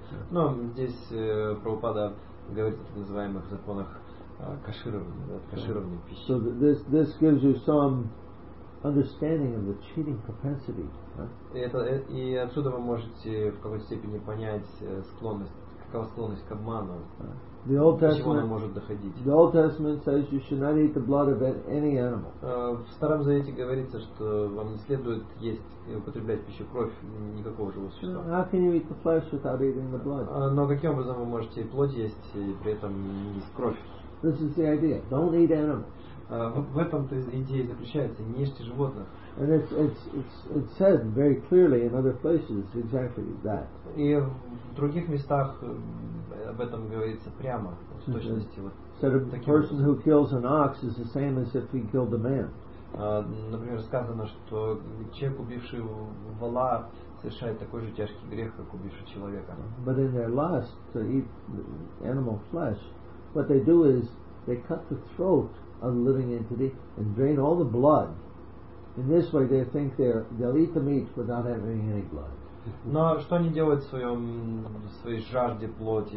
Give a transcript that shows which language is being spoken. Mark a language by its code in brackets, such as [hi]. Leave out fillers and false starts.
[ru] Но здесь Прабхупада говорит о так называемых законах кашированной пищи. [en] So this gives you some understanding of the cheating propensity. [ru] И отсюда вы можете в какой-то степени понять склонность. [en] The Old Testament. The Old Testament says you should not eat the blood of any animal. [ru] В Старом Завете говорится, что вам не следует есть и употреблять пищу кровь никакого живого существа. [en] How can you eat the flesh without eating the blood? [ru] Но каким образом вы можете плоть есть и при этом не есть кровь? [en] This is the idea. Don't eat animals. [ru] В этом-то идея заключается. Не ешьте животных. [en] And it's said very clearly in other places exactly that. [ru] И в других местах об этом говорится прямо, с точностью. [en] Said a person who kills an ox is the same as if he killed a man. [ru] Например, сказано, что человек, убивший вола, совершает такой же тяжкий грех, как убивший человека. [en] But in their lust to eat animal flesh, what they do is they cut the throat of the living entity and drain all the blood. In this way, they think they'll eat the meat without having any blood. [ru] Но что они делают в своей жажде плоти?